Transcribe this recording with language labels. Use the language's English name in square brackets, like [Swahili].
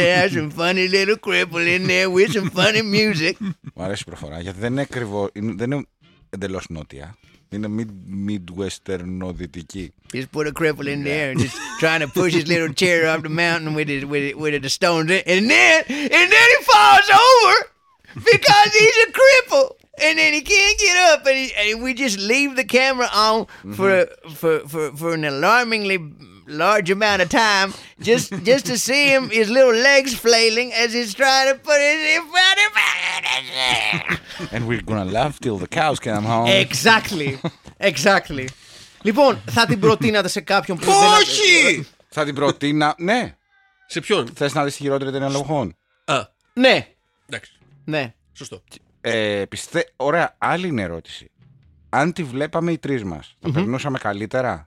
[English] It has some funny little cripple in there with some funny music. [Greek] Μ' αρέσει η προφορά, γιατί δεν είναι ακριβώς, δεν είναι εντελώς νότια. Είναι midwesternοδυτική. [English] He's put a cripple in there and he's trying to push his little chair up the mountain with the stones in it. And then he falls over because he's a cripple. And then he can't get up, and we just leave the camera on for an alarmingly large amount of time, just to see him, his little legs flailing as he's trying to put his body back in his chair. And we're gonna laugh till the cows come home. Exactly, exactly. [Greek] Λοιπόν, θα την προτείνατε σε κάποιον που δεν... Όχι! Θα την προτείνα... Ναι. Σε ποιον? Θες να δεις τη χειρότερη ταινία λογών? Α. Ναι. Εντάξει. Ναι. Σωστό. Ωραία, άλλη είναι ερώτηση. Αν τη βλέπαμε οι τρεις μας, θα περνούσαμε καλύτερα?